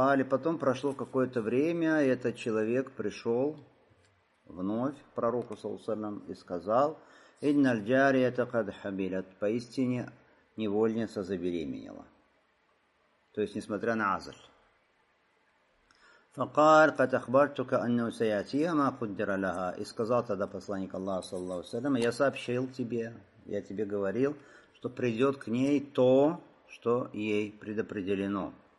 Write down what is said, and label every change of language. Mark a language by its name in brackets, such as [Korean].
[Russian] Потом прошло какое-то время, и этот человек пришел вновь к пророку саллаллаху и сказал, [Arabic] «Иннал джариата кад хабилят», [Russian] поистине невольница забеременела. То есть несмотря на азль. [Arabic] فقال قد أخبرتك أنه سيأتيها ما قدر لها. [Russian] И сказал тогда посланник Аллаха саллаллаху алейхи ва саллям, я сообщил тебе, я тебе говорил, что придет к ней то, что ей предопределено.